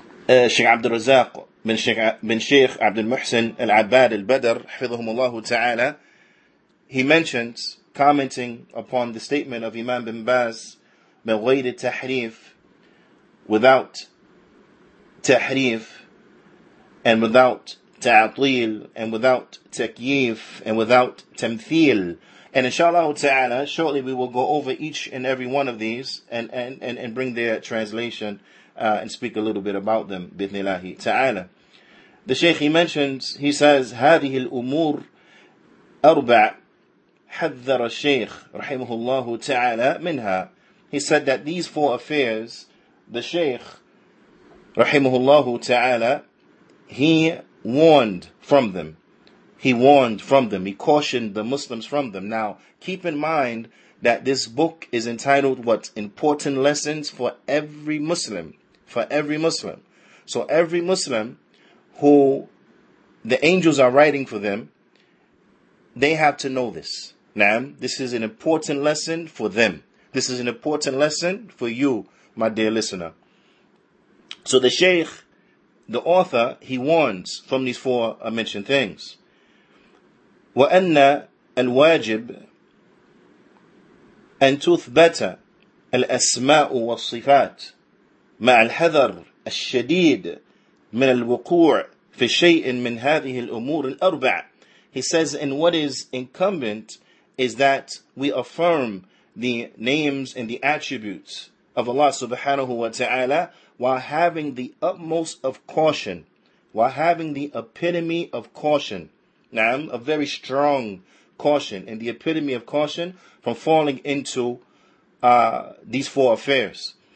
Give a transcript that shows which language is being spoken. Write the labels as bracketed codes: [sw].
[en] Sheikh Abdul Razak bin Sheikh Abdul Muhsin al-Abbad al-Badr, [ar] حفظهم الله تعالى, [en] he mentions, commenting upon the statement of Imam bin Baz, [ar] بغير التحريف, [en] without تحريف, and without تعطيل, and without تكييف, and without تمثيل. And inshallah ta'ala, shortly we will go over each and every one of these and bring their translation and speak a little bit about them, [ar] بإذن الله [en] ta'ala. The Shaykh, he mentions, he says, [ar] هذه الأمور أربع حذر الشيخ رحمه الله تعالى منها. [en] He said that these four affairs, the Shaykh [ar] رحمه الله تعالى, [en] he warned from them. He warned from them. He cautioned the Muslims from them. Now, keep in mind that this book is entitled, what? Important Lessons for Every Muslim. For every Muslim. So every Muslim who the angels are writing for them, they have to know this. Now, this is an important lesson for them. This is an important lesson for you, my dear listener. So the Shaykh, the author, he warns from these four mentioned things. [ar] وأن الواجب أن تثبت الأسماء والصفات مع الحذر الشديد من الوقوع في شيء من هذه الأمور الأربع. [en] He says, and what is incumbent is that we affirm the names and the attributes of Allah subhanahu wa ta'ala while having the utmost of caution, while having the epitome of caution. Na'am, a very strong caution and the epitome of caution from falling into these four affairs.